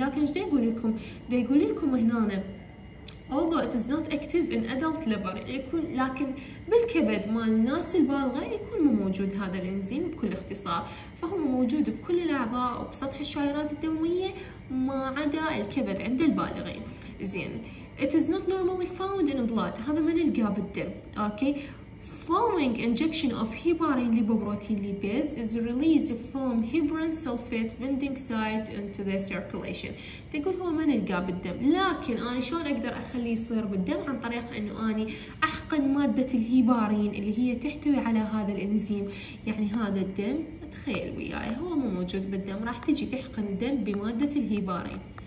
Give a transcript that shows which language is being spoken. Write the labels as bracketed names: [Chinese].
[Arabic] لكن إيش يقول لكم؟ يقول لكم هنا [English] although it is not active in adult liver [Arabic] يكون، لكن بالكبد مال الناس البالغة يكون موجود هذا الإنزيم بكل اختصار، فهو موجود بكل الأعضاء وبسطح الشعيرات الدموية ما عدا الكبد عند البالغين. [English] زين it is not normally found in blood [Arabic] هذا ما نلقاه بالدم. [English] okay following injection of heparin lipoprotein lipase is released from heparin sulfate binding site into the circulation. [Arabic] تقول هو ما نلقاه بالدم، لكن أنا شلون أقدر أخليه يصير بالدم؟ عن طريق إنه أني أحقن مادة الهيبارين اللي هي تحتوي على هذا الإنزيم. يعني هذا الدم تخيل وياي هو مو موجود بالدم، راح تجي تحقن الدم بمادة الهيبارين.